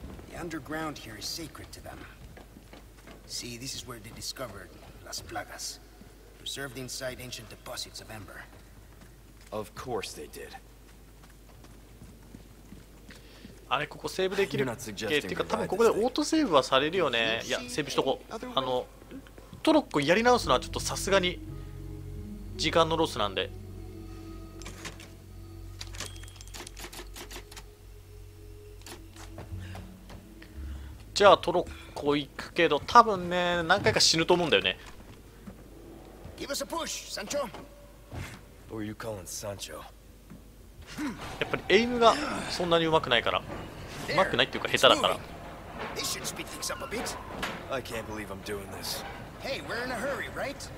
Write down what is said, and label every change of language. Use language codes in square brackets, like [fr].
[en] The underground here is sacred to them. See, this is where they discovered Las Plagas, preserved inside ancient deposits of ember. Of course they did. [ja] あれ、ここセーブできるっけ？てか多分ここでオートセーブはされるよね。いや、セーブしとこう。あのトロッコやり直すのはちょっとさすがに時間のロスなんで。じゃあトロッコ行くけど、多分ね何回か死ぬと思うんだよね。 [en] Give us a push, Sancho. Or you calling Sancho? [ja] やっぱりエイムがそんなに上手くないから、上手くないっていうか下手だから。 [en] This should speed things up a bit. I can't believe I'm doing this. Hey, we're in a hurry, right?